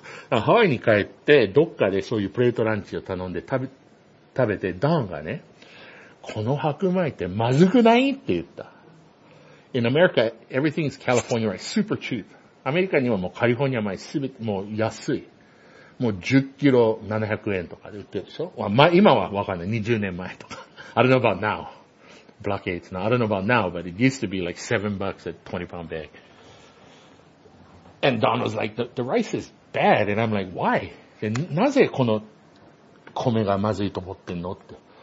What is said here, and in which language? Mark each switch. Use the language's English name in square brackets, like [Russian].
[Japanese] ハワイに帰って、どっかでそういうプレートランチを頼んで食べて、ダンがね、この白米ってまずくないって言った。 [English] In America, everything is California rice, super cheap. [Japanese] アメリカにはもうカリフォルニア米すべてもう安い。もう10キロ700円とかで売ってるでしょ、まあ、今はわかんない。 20年前とか。 [English] I don't know about now. Black AIDS now. I don't know about now, but it used to be like 7 bucks at 20 pound bag. And Don was like, the rice is bad. And I'm like, why? [Japanese] なぜこの米がまずいと思ってんのって。